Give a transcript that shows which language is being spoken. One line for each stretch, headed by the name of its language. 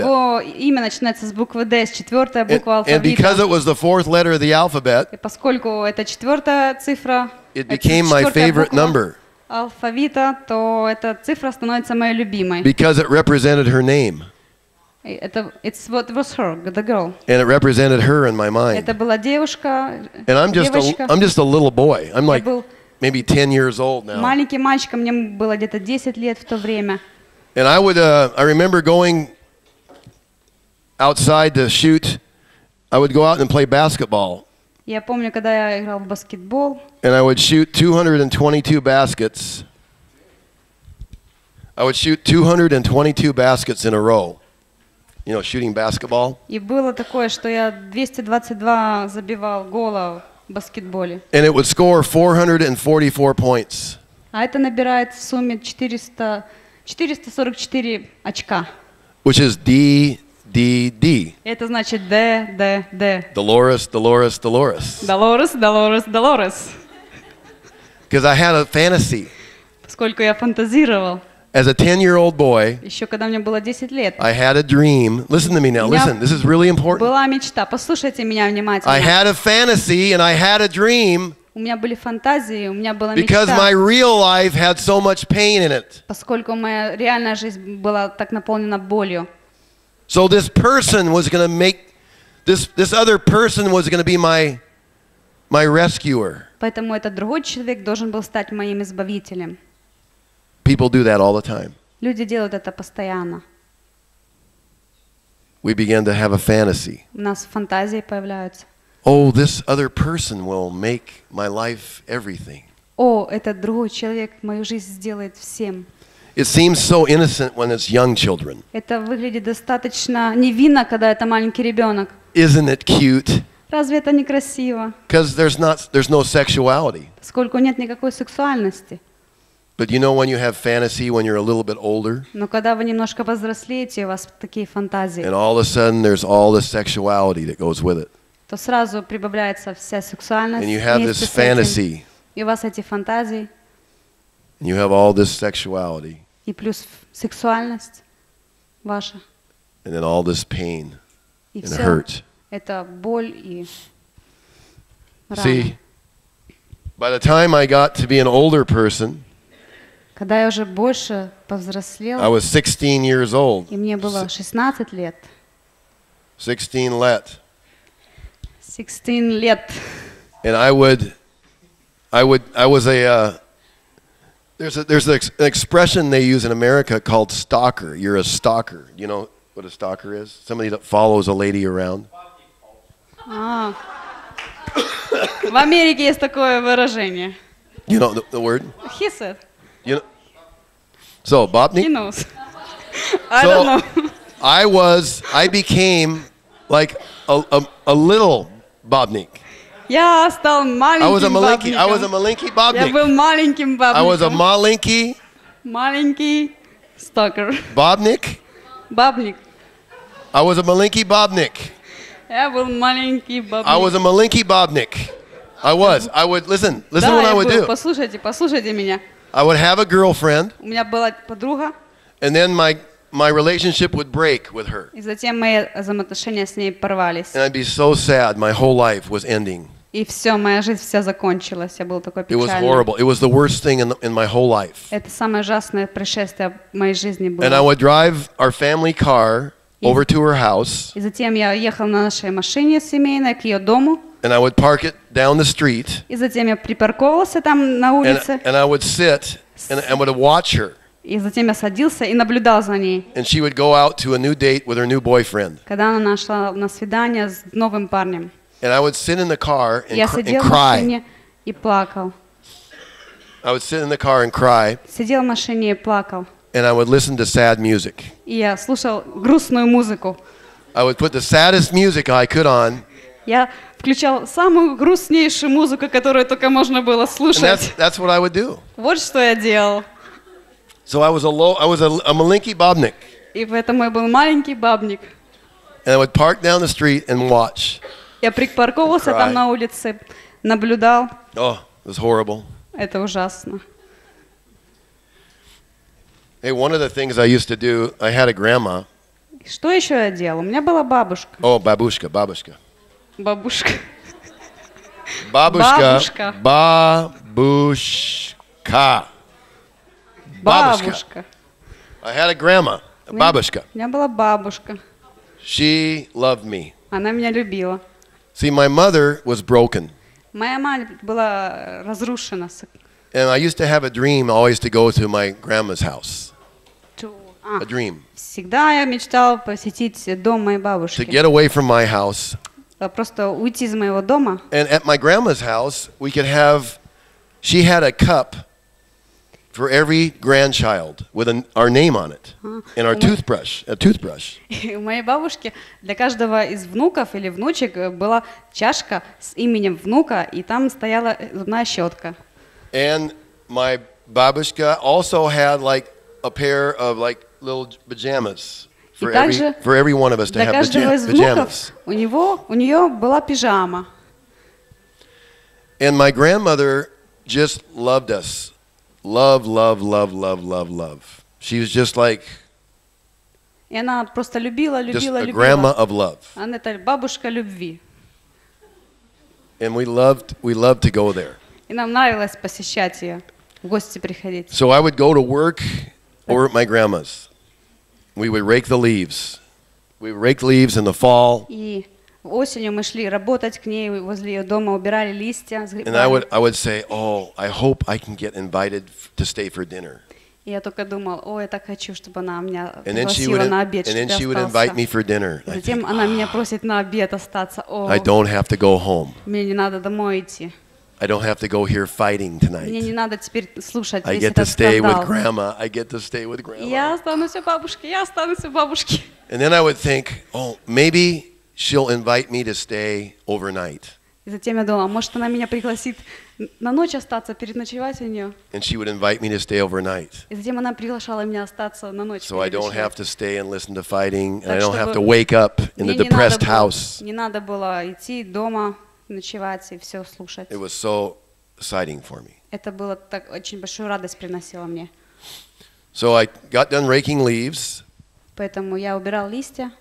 Russian: Его имя начинается с буквы D, с четвёртой буквы алфавита.
English: And because it was the fourth letter of the alphabet.
Russian: И поскольку это четвёртая цифра.
English: It became my favorite number.
Russian: Алфавита, то эта цифра становится моей любимой.
English: Because it represented her name. It's what was her, the girl. And it represented her in my mind.
Russian: Это была девушка.
English: And I'm just a little boy. I'm like maybe 10 years old now.
Russian: Маленький мальчик, мне было где-то 10 лет в то время.
English: And I would I remember going outside to shoot. I would go out and play basketball.
Russian: Я помню, когда я играл в баскетбол.
English: And I would shoot 222 baskets. I would shoot 222 baskets in a row. You know, shooting basketball.
Russian: И было такое, что я 222 забивал гола в баскетболе.
English: And it would score 444 points.
Russian: А это набирает в сумме 444 очка.
English: Which is D, D, D.
Russian: Это значит D, D, D. Долорес, Долорес, Долорес. Долорес, Долорес, Долорес.
English: Because I had a fantasy.
Russian: Поскольку я фантазировал.
English: As a 10-year-old boy,
Russian: еще когда мне было 10 лет,
English: I had a dream. Listen to me now. Listen, this is really important.
Russian: Была мечта. Послушайте меня внимательно.
English: I had a fantasy and I had a dream.
Russian: У меня были фантазии, у меня была мечта.
English: Because my real life had so much pain in it.
Russian: Поскольку моя реальная жизнь была так наполнена болью.
English: So this person was going to make this other person was going to be my rescuer.
Russian: Поэтому этот другой человек должен был стать моим избавителем.
English: People do that all the time.
Russian: Люди делают это постоянно.
English: We begin to have a fantasy.
Russian: У нас фантазии появляются.
English: Oh, this other person will make my life everything.
Russian: О, этот другой человек мою жизнь сделает всем.
English: It seems so innocent when it's young children.
Russian: Это выглядит достаточно невинно, когда это маленький ребенок.
English: Isn't it cute?
Russian: Разве это не красиво?
English: Because there's no sexuality.
Russian: Сколько нет никакой сексуальности.
English: But you know when you have fantasy when you're a little bit older?
Russian: Но когда вы немножко повзрослеете, у вас такие фантазии.
English: And all of a sudden there's all the sexuality that goes with it.
Russian: То сразу прибавляется вся сексуальность.
English: And you have this fantasy.
Russian: И у вас эти фантазии.
English: And you have all this sexuality.
Russian: И плюс сексуальность ваша.
English: And then all this pain and hurt.
Russian: Это боль и рана.
English: See, by the time I got to be an older person,
Russian: когда я уже больше повзрослел,
English: I was 16 years old.
Russian: И мне было 16 лет. 16 лет. 16 лет.
English: And there's an expression they use in America called stalker. You're a stalker. You know what a stalker is? Somebody that follows a lady around.
Russian: В Америке есть такое выражение.
English: You know the word? He said. You know? So, Bobney? He knows. I don't know. I became like a little Bobney.
Russian: Я стал маленьким бабником.
English: I was a malinky Bobney.
Russian: Я был маленьким бабником.
English: I was a malinky.
Russian: Маленький stalker. Бабник? Бабник.
English: I was a malinky Bobney.
Russian: Я был маленький Бобник.
English: I was a malinky Bobney. I was. I would listen
Russian: да,
English: what I would Do.
Russian: Послушайте меня.
English: I would have a girlfriend.
Russian: У меня была подруга.
English: And then my relationship would break with her.
Russian: И затем мои взаимоотношения с ней порвались.
English: And I'd be so sad. My whole life was ending.
Russian: И все, моя жизнь вся закончилась. Я был такой печальный.
English: It was horrible. It was the worst thing in my whole life.
Russian: Это самое ужасное происшествие в моей жизни было.
English: And I would drive our family car. Over to her house.
Russian: И затем я ехал на нашей машине семейной к ее дому.
English: And I would park it down the street.
Russian: И затем я припарковался там на улице.
English: And I would sit and would watch her.
Russian: И затем я садился и наблюдал за ней.
English: And she would go out to a new date with her new boyfriend.
Russian: Когда она нашла на свидание с новым парнем.
English: And I would sit in the car and cry.
Russian: Я сидел в машине и плакал.
English: I would sit in the car and cry.
Russian: Сидел в машине и плакал.
English: And I would listen to sad music.
Russian: Я слушал грустную музыку.
English: I would put the saddest music I could on.
Russian: Я включал самую грустнейшую музыку, которую только можно было слушать.
English: And that's what I would do.
Russian: Вот что я делал.
English: So I was a malinky Бобник.
Russian: И поэтому я был маленький Бобник.
English: And I would park down the street and watch.
Russian: Я припарковался там на улице, наблюдал.
English: Oh, it was horrible.
Russian: Это ужасно.
English: Hey, one of the things I used to do, I had a grandma.
Russian: Что еще я делал? У меня была бабушка. О, бабушка, бабушка. Бабушка. Бабушка. Бабушка. Бабушка. Бабушка.
English: I had a grandma, бабушка.
Russian: У меня была бабушка.
English: She loved me.
Russian: Она меня любила.
English: See, my mother was broken.
Russian: Моя мать была разрушена.
English: And I used to have a dream always to go to my grandma's house. A dream.
Russian: Всегда я мечтал посетить дом моей бабушки.
English: To get away from my house.
Russian: Просто уйти из моего дома.
English: And at my grandma's house, we could have. She had a cup for every grandchild with our name on it and our toothbrush. A toothbrush.
Russian: У моей бабушки для каждого из внуков или внучек была чашка с именем внука, и там стояла зубная щетка.
English: And my babushka also had like a pair of like little pajamas. for every one of us to have pajamas.
Russian: У нее была пижама.
English: And my grandmother just loved us. Love. She was just like just a grandma of love.
Russian: Она это бабушка любви.
English: And we loved to go there.
Russian: И нам нравилось посещать ее, в гости приходить.
English: So I would go to work over at my grandma's. We would rake the leaves. We would rake leaves in the fall.
Russian: И осенью мы шли работать к ней возле ее дома, убирали листья.
English: And I would say, oh, I hope I can get invited to stay for dinner.
Russian: И я только думал, о, я так хочу, чтобы она меня пригласила на обед, чтобы я остался.
English: And then she would invite me for dinner.
Russian: Затем она меня просит на обед остаться. О,
English: I don't have to go home.
Russian: Мне не надо домой идти.
English: I don't have to go here fighting tonight.
Russian: Мне не надо теперь слушать весь этот скандал.
English: I get to stay with grandma.
Russian: Я останусь у бабушки.
English: And then I would think, oh, maybe she'll invite me to stay overnight.
Russian: И затем я думала, может, она меня пригласит на ночь остаться, переночевать у нее.
English: And she would invite me to stay overnight.
Russian: И затем она приглашала меня остаться на ночь.
English: So I don't have to stay and listen to fighting, and I don't have to wake up in the depressed house.
Russian: Не надо было идти дома, ночевать и все слушать.
English: It was so exciting for me.
Russian: Это было так, очень большую радость приносило мне.
English: So I got done raking leaves.
Russian: Поэтому я убирал листья.